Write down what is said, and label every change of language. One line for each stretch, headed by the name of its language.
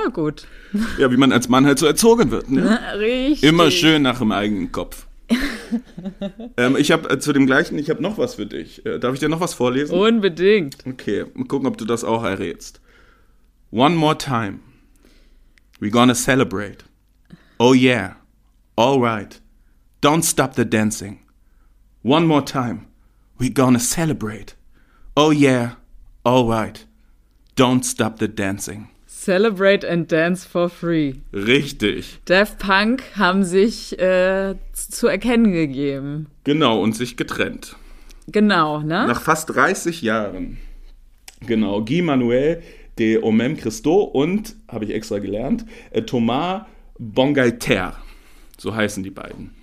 German: Na gut. Ja, wie man als Mann halt so erzogen wird, ne? Na, richtig. Immer schön nach dem eigenen Kopf. ich habe noch was für dich. Darf ich dir noch was vorlesen? Unbedingt. Okay, mal gucken, ob du das auch errätst.
English: One more time. We're gonna celebrate. Oh yeah, all right, don't stop the dancing. One more time, we're gonna celebrate. Oh yeah, all right, don't stop the dancing. Celebrate and dance for free.
German: Richtig. Daft Punk haben sich zu erkennen gegeben. Genau, und sich getrennt. Genau, ne? Nach fast 30 Jahren. Genau, Guy Manuel de Omem Christo und, habe ich extra gelernt, Thomas Bongalter, so heißen die beiden.